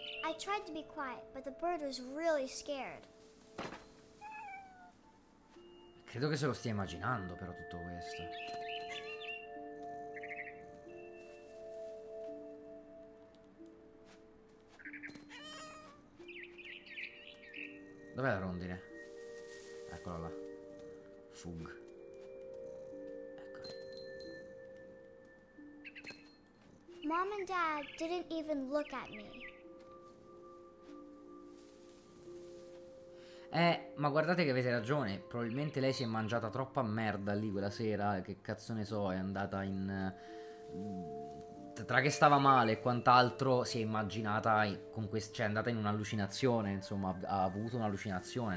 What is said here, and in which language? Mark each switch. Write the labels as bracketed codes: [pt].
[en] I tried to be quiet, but the bird was really scared. [it] Credo che se lo stia immaginando, però, tutto questo. Dov'è la rondine? Eccola là. Fug. [en] Mom and Dad didn't even look at me. [it] Ma guardate che avete ragione. Probabilmente lei si è mangiata troppa merda lì quella sera. Che cazzo ne so, è andata in... Tra che stava male e quant'altro si è immaginata con questo, cioè è andata in un'allucinazione, insomma, ha avuto un'allucinazione.